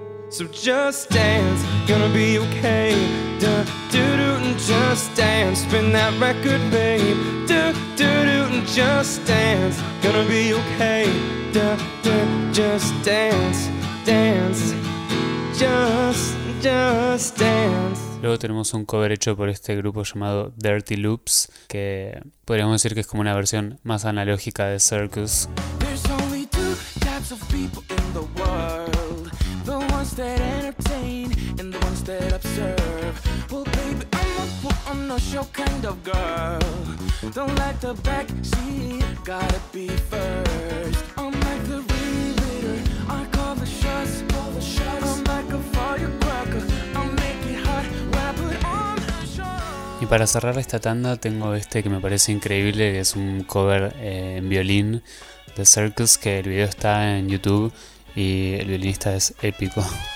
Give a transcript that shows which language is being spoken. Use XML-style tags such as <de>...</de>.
<en>So just dance, gonna be okay. Duh, doo doo, and just dance. Spin that record, babe. Duh, doo doo, and just dance. Gonna be okay. Duh, duh, just dance, dance. Just dance.</en> <es>Luego tenemos un cover hecho por este grupo llamado Dirty Loops, que podríamos decir que es como una versión más analógica de Circus.</es> <en>There's only two types of people in the world. That entertain and the ones that observe. Well, baby, I'm a full on the show kind of girl. Don't like the back seat, gotta be first. I'm like the ringleader, I call the shots, call the shots. I'm like a firecracker, I make it hot when I put on the show.</en> <es>Y para cerrar esta tanda tengo este que me parece increíble, que es un cover en violín de Circus, que el video está en YouTube. Y el violinista es épico.</es>